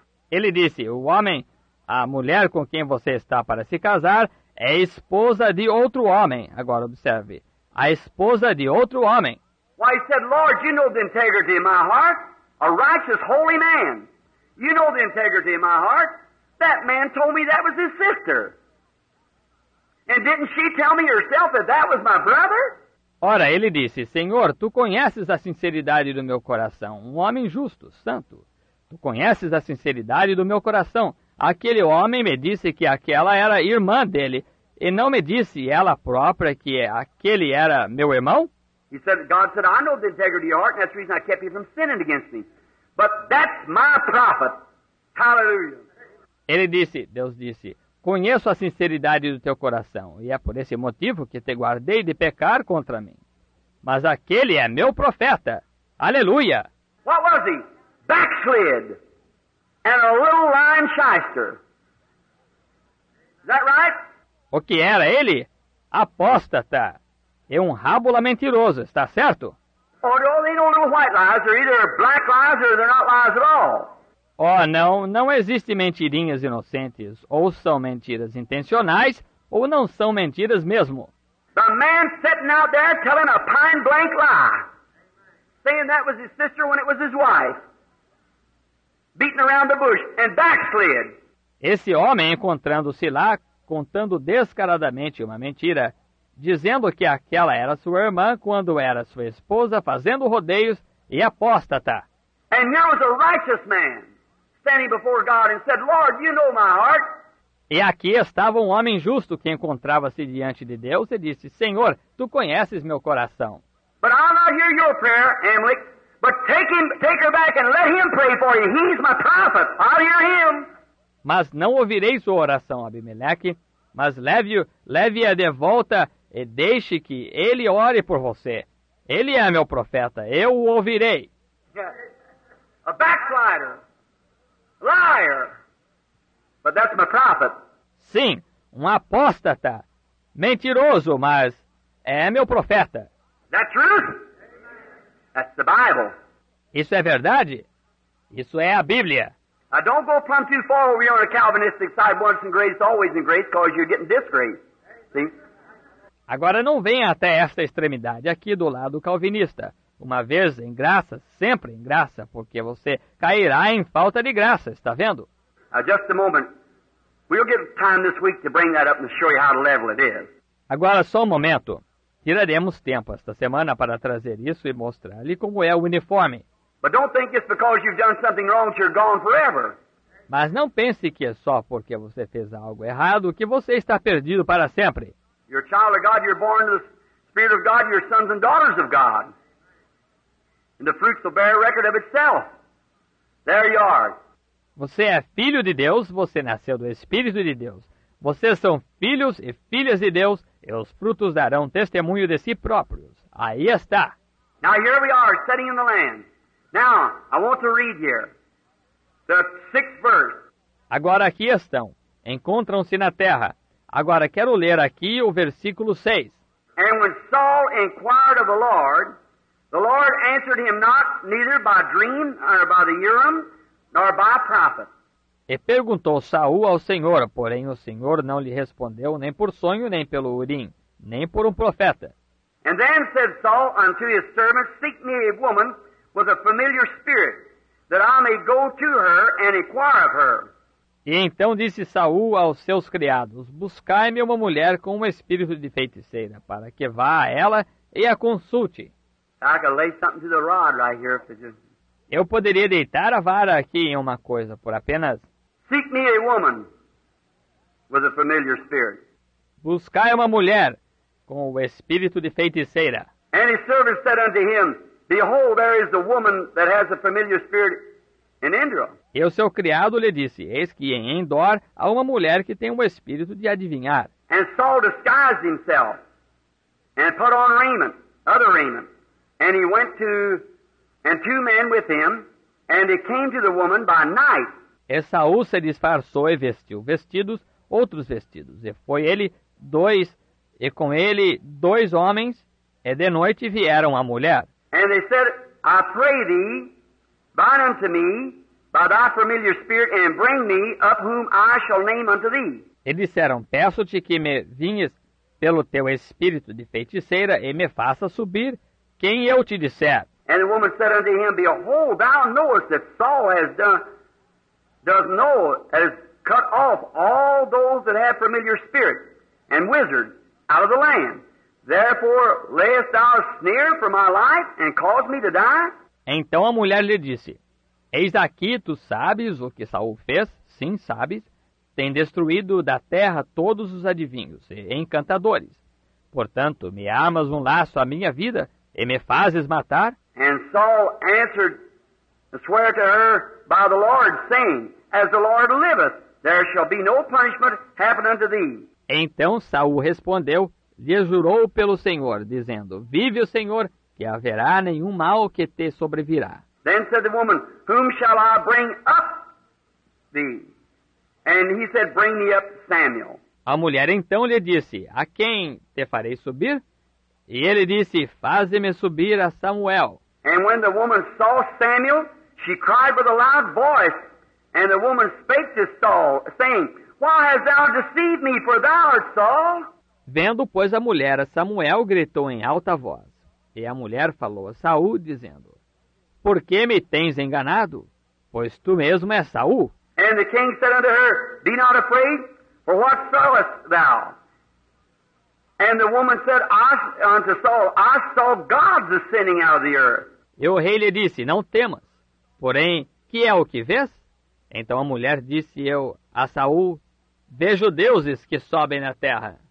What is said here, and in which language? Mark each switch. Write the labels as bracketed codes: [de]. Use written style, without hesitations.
[pt] Ele disse, o homem, a mulher com quem você está para se casar, é esposa de outro homem. Agora observe. A esposa de outro homem. [en] Why, he said, Lord, you know the integrity of my heart. A righteous, holy man. You know the integrity of my heart. That man told me that was his sister. And didn't she tell me herself that that was my brother? [pt] Ora, ele disse, Senhor, tu conheces a sinceridade do meu coração. Um homem justo, santo. Tu conheces a sinceridade do meu coração. Aquele homem me disse que aquela era irmã dele. E não me disse ela própria que aquele era meu irmão? [en] He said, God said, I know the integrity of your heart, and that's the reason I kept you from sinning against me. But that's my prophet. Hallelujah. [pt] Ele disse, Deus disse, conheço a sinceridade do teu coração, e é por esse motivo que te guardei de pecar contra mim. Mas aquele é meu profeta. Aleluia! [en] What was he? Backslid and a little lying shyster. Is that right? [pt] O que era ele? Apóstata. É um rábula mentiroso, está certo? [en] Oh, no, they don't know white lies. They're either black lies or they're not lies at all. [pt] Oh, não, não existem mentirinhas inocentes. Ou são mentiras intencionais, ou não são mentiras mesmo. [en] The man sitting out there telling a pine blank lie. Saying that was his sister when it was his wife. Beating around the bush and backslid. [pt] Esse homem encontrando-se lá, contando descaradamente uma mentira, dizendo que aquela era sua irmã quando era sua esposa, fazendo rodeios e apóstata. [en] And here was a righteous man standing before God and said, Lord, you know my heart. [pt] E aqui estava um homem justo que encontrava-se diante de Deus e disse, Senhor, tu conheces meu coração. [en] But I'll not hear your prayer, Amalek, but take her back and let him pray for you. He's my prophet. I'll hear him. [pt] Mas não ouvirei sua oração, Abimeleque, mas leve-a de volta e deixe que ele ore por você. Ele é meu profeta, eu o ouvirei. [en] A backslider, liar, but that's my prophet. [pt] Sim, um apóstata, mentiroso, mas é meu profeta. [en] That's true. That's the Bible. [pt] Isso é verdade? Isso é a Bíblia. [en] Now don't go plumb too far over here on the Calvinistic side, once in grace, always in grace, because you're getting disgraced. See? [pt] Agora não venha até esta extremidade aqui do lado calvinista. Uma vez em graça, sempre em graça, porque você cairá em falta de graça, está vendo? [en] Now just a moment. We'll get time this week to bring that up and show you how level it is. [pt] Agora só um momento. Tiraremos tempo esta semana para trazer isso e mostrar-lhe como é o uniforme. [en] But don't think it's because you've done something wrong that you're gone forever. [pt] Mas não pense que é só porque você fez algo errado que você está perdido para sempre. [en] You're a child of God, you're born to the Spirit of God, you're sons and daughters of God. And the fruits will bear record of itself. There you are. [pt] Você é filho de Deus, você nasceu do Espírito de Deus. Vocês são filhos e filhas de Deus, e os frutos darão testemunho de si próprios. Aí está. [en] Now here we are, sitting in the land. Now, I want to read here, the sixth verse. [pt] Agora aqui estão, encontram-se na terra. Agora quero ler aqui o versículo 6. [en] And when Saul inquired of the Lord answered him not, neither by dream, nor by the Urim, nor by prophet. [pt] E perguntou Saul ao Senhor, porém o Senhor não lhe respondeu nem por sonho, nem pelo Urim, nem por profeta. [en] And then said Saul unto his servant, seek me a woman with a familiar spirit, that I may go to her and inquire of her. [pt] E então disse Saul aos seus criados, buscai-me uma mulher com um espírito de feiticeira, para que vá a ela e a consulte. [en] I could lay something to the rod right here if it just... [pt] Eu poderia deitar a vara aqui em uma coisa, por apenas... [en] Seek me a woman with a familiar spirit. [pt] Buscai uma mulher com o espírito de feiticeira. [en] And his servant said unto him, behold, there is the woman that has a familiar spirit in Endor. [pt] E o seu criado lhe disse, eis que em Endor há uma mulher que tem um espírito de adivinhar. [en] And Saul disguised himself and put on raiment, other raiment. And he went to, and two men with him, and he came to the woman by night. [pt] E Saul se disfarçou e vestiu vestidos, outros vestidos. E foi ele dois, e com ele dois homens, e de noite vieram a mulher. [en] And they said, I pray thee, bind unto me by thy familiar spirit, and bring me up whom I shall name unto thee. [pt] E disseram, peço-te que me vinhas pelo teu espírito de feiticeira, e me faça subir quem eu te disser. [en] And the woman said unto him, behold, thou knowest that Saul has done, does know, has cut off all those that have familiar spirits and wizards out of the land. Therefore, layest thou a snare for my life, and cause me to die? [pt] Então a mulher lhe disse, eis aqui, tu sabes o que Saul fez, sim, sabes, Tem destruído da terra todos os adivinhos e encantadores. Portanto, me armas um laço à minha vida e me fazes matar? [en] And Saul answered and swear to her by the Lord, saying, As the Lord liveth, there shall be no punishment happen unto thee. [pt] Então Saul respondeu, lhe jurou pelo Senhor, dizendo, Vive o Senhor, que haverá nenhum mal que te sobrevirá. [en] Then said the woman, Whom shall I bring up thee? And he said, Bring me up Samuel. [pt] A mulher então lhe disse, A quem te farei subir? E ele disse, Faze-me subir a Samuel. [en] And when the woman saw Samuel, she cried with a loud voice. And the woman spake to Saul, saying, Why hast thou deceived me, for thou art Saul? [pt] Vendo, pois, a mulher a Samuel, gritou em alta voz. E a mulher falou a Saul, dizendo, Por que me tens enganado? Pois tu mesmo és Saul. [en] And the king said unto her, Be not afraid, for what sawest thou? And the woman said unto Saul, I saw gods ascending out of the earth. [pt] E o rei lhe disse, Não temas. Porém, que é o que vês? Então a mulher disse eu a Saul, Vejo deuses que sobem na terra.